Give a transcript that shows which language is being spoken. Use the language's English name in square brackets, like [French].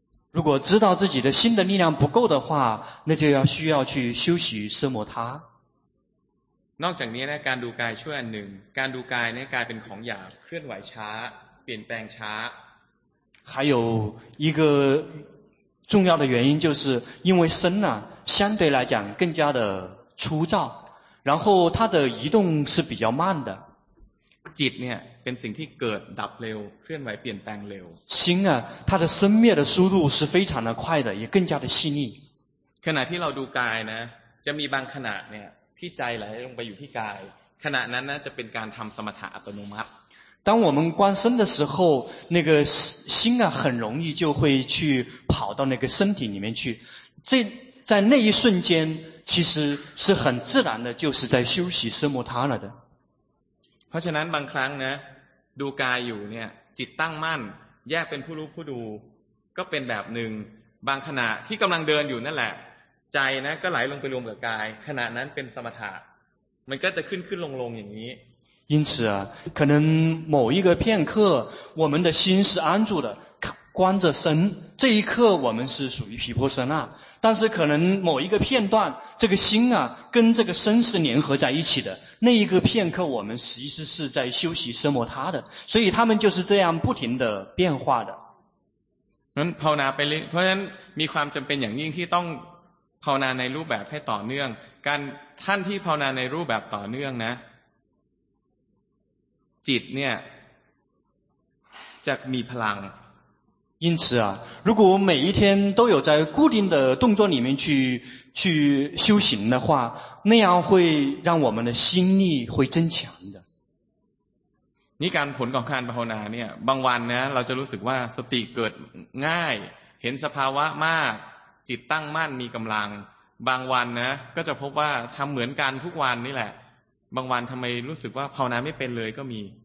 [Chinese] 如果知道自己的心的力量不够的话那就要需要去休息奢摩他 [Thai] นอกจากนี้นะการดูกายช่วยอันหนึ่งการดูกายนี่กลายเป็นของหยาบเคลื่อนไหวช้าเปลี่ยนแปลงช้า [Chinese] 还有一个重要的原因就是因为身呢、啊、相对来讲更加的粗糙然后它的移动是比较慢的 [Thai] จิตเนี่ยเป็นสิ่งที่เกิดดับเร็วเคลื่อนไหวเปลี่ยนแปลงเร็ว [Chinese] 心啊它的生灭的速度是非常的快的也更加的细腻 [Thai] ขณะที่เราดูกายนะจะมีบางขณะเนี่ยที่ใจไหลลงไปอยู่ที่กายขณะนั้นนะจะเป็นการทำสมถะอัตโนมัติ [Chinese] 当我们观身的时候那个心啊很容易就会去跑到那个身体里面去这在那一瞬间其实是很自然的就是在休息奢摩他了的 [Thai] เพราะฉะนั้นบางครั้งนะดูกายอยู่เนี่ยจิตตั้งมั่นแยกเป็นผู้รู้ผู้ดูก็เป็นแบบหนึ่งบางขณะที่กำลังเดินอยู่นั่นแหละใจนะก็ไหลลงไปรวมกับกายขณะนั้นเป็นสมถะมันก็จะขึ้นขึ้นลงลงอย่างนี้ [Chinese] 因此啊可能某一个片刻我们的心是安住的观着身这一刻我们是属于毗婆舍那但是可能某一个片段这个心啊跟这个身是联合在一起的那一个片刻我们实际是在休息奢摩他的所以他们就是这样不停的变化的 [Thai] ภาวนาไปเพราะฉะนั้นมีความจำเป็นอย่างยิ่งที่ต้องภาวนาในรูปแบบให้ต่อเนื่องการท่านที่ภาวนาในรูปแบบต่อเนื่องนะจิตเนี่ยจะมีพลัง [Chinese] 因此啊如果我每一天都有在固定的动作里面去修行的话那样会让我们的心力会增强的 [Thai] นี่การผลของการภาวนาเนี่ยบางวันนะเราจะรู้สึกว่าสติเกิดง่ายเห็นสภาวะมากจิตตั้งมั่นมีกำลังบางวันนะก็จะพบว่าทำเหมือนกันทุกวันนี่แหละบางวันทำไมรู้สึกว่าภาวนาไม่เป็นเลยก็มี